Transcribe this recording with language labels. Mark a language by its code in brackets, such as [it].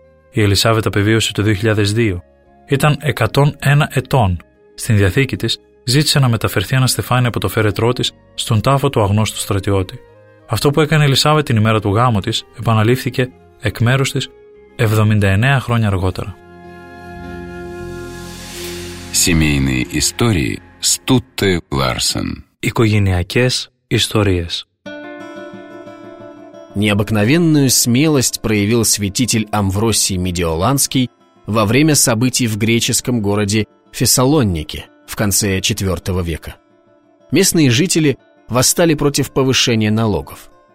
[el] Η Ελισάβετ απεβίωσε το 2002. Ήταν 101 ετών. Στην διαθήκη της ζήτησε να μεταφερθεί ένα στεφάνι από το φέρετρό της στον τάφο του αγνώστου στρατιώτη. Αυτό που έκανε η Ελισάβετ την ημέρα του γάμου της επαναλήφθηκε εκ μέρους της 79 χρόνια αργότερα. [ru] Семейные истории Стутте Ларсен. [el] Οικογενειακές ιστορίες. [ru] Необыкновенную смелость проявил святитель Амвросий Медиоланский во время событий в греческом городе Фессалоннике в конце IV века. Местные жители восстали против повышения налогов.